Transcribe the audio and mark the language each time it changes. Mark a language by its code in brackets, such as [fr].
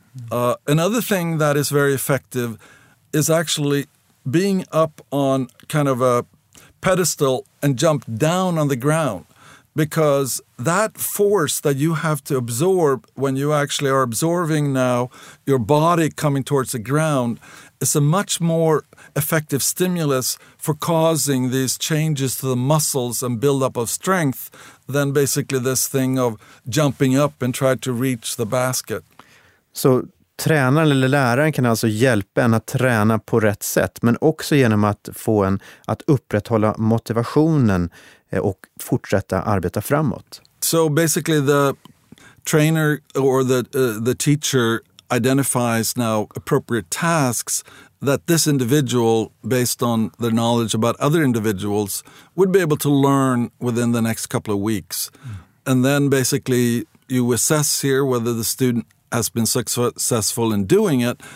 [en] Another thing that is very effective is actually being up on kind of a pedestal and jump down on the ground, because that force that you have to absorb when you actually are absorbing now your body coming towards the ground is a much more effective stimulus for causing these changes to the muscles and buildup of strength than basically this thing of jumping up and try to reach the basket. So [sv] tränaren eller läraren kan alltså hjälpa en att träna på rätt sätt, men också genom att få en att upprätthålla motivationen och fortsätta arbeta framåt. [en] So basically the trainer or the teacher identifies now appropriate tasks that this individual, based on their knowledge about other individuals, would be able to learn within the next couple of weeks. Mm. And then basically you assess here whether the student has been successful in doing it.